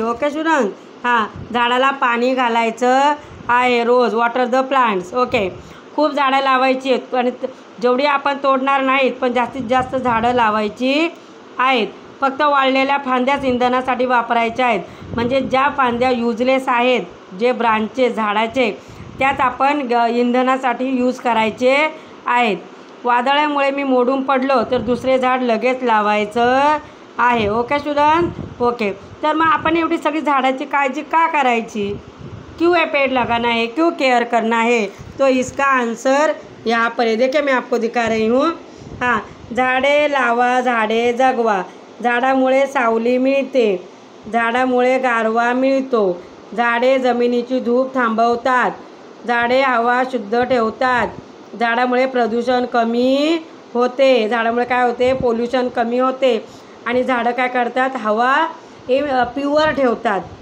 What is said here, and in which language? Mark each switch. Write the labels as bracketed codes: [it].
[mr] Okay student, हां झाडाला पाणी घालायचं आहे रोज, [en] water the plants, [mr] ओके खूप झाडं लावायची आहेत, पण जेवढी आपण तोडणार नाहीत पण जास्तीत जास्त झाडं लावायची आहेत, फक्त वाळलेल्या फांद्याच इंधनासाठी वापरायच्या आहेत, म्हणजे ज्या फांद्या यूजलेस आहेत जे ब्रांचचे झाडाचे, त्यात आपण इंधनासाठी यूज करायचे आहेत, वादळामुळे मी मोडून पडलो तर दुसरे झाड लगेच लावायचं आहे। [hi] ओके स्टूडेंट, ओके [mr] तर मग आपण एवढी सगळी झाडाची काळजी का करायची, [hi] क्यों है पेड़ लगाना है, क्यों केयर करना है, तो इसका आंसर यहाँ पर है, देखिए मैं आपको दिखा रही हूँ। [mr] हाँ, झाड़े लावा झाड़े जगवा, झाड़ामुळे सावली मिळते, झाड़ामुळे गारवा मिळतो, झाड़े जमिनीची धूप थांबवतात, झाड़े हवा शुद्ध ठेवतात, झाड़ामुळे प्रदूषण कमी होते, झाड़ामुळे काय होते पोल्यूशन कमी होते, आणि झाड़े काय करतात हवा ए प्युअर ठेवतात।